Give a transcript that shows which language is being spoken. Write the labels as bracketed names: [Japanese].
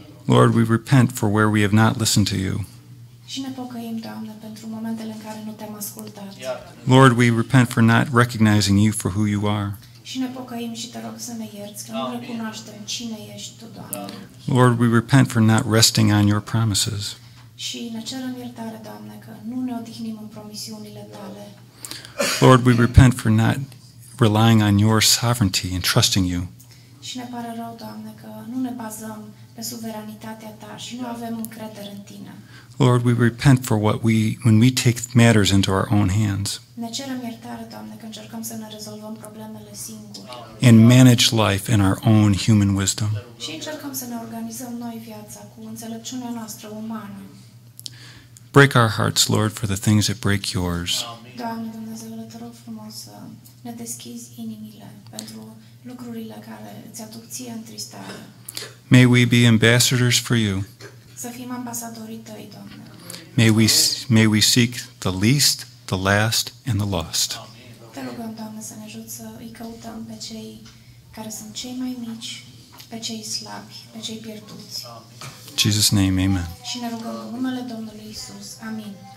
[English] Lord, we repent for where we have not listened to you. [Romanian] Și ne pocăim, Doamne, pentru momentele în care nu te-am ascultat. [English] Lord, we repent for not recognizing you for who you are. [Romanian] Și ne pocăim și te rog să ne ierți că nu recunoaștem cine ești tu, Doamne. [English] Lord, we repent for not resting on your promises. [Romanian] Și ne cerem iertare, Doamne, că nu ne odihnim în promisiunile tale. [English] Lord, we repent for not relying on your sovereignty and trusting you. [Romanian] Și ne pare rău, Doamne, că nu ne bazăm pe suveranitatea ta și nu avem încredere în tine. [English] Lord, we repent for what we when we take matters into our own hands. [Romanian] Ne cerem iertare, Doamne, că încercăm să ne rezolvăm problemele singuri. [English] And manage life in our own human wisdom. [Romanian] Și încercăm să ne organizăm noi viața cu înțelepciunea noastră umană. [English] Break our hearts, Lord, for the things that break yours. [Romanian] Doamne, Dumnezeule, te rog frumos să ne deschizi inimile pentru lucrurile care îți aduc ție întristare. [English] May we be ambassadors for you. [Romanian] Să fim ambasadorii tăi, Doamne. [English] May we seek the least, the last, and the lost. [Romanian] Te rugăm, Doamne, să ne ajut să îi căutăm pe cei care sunt cei mai mici, pe cei slabi, pe cei pierduți. [English] In Jesus' name, amen. [Romanian] Și ne rugăm în numele Domnului Iisus. Amin.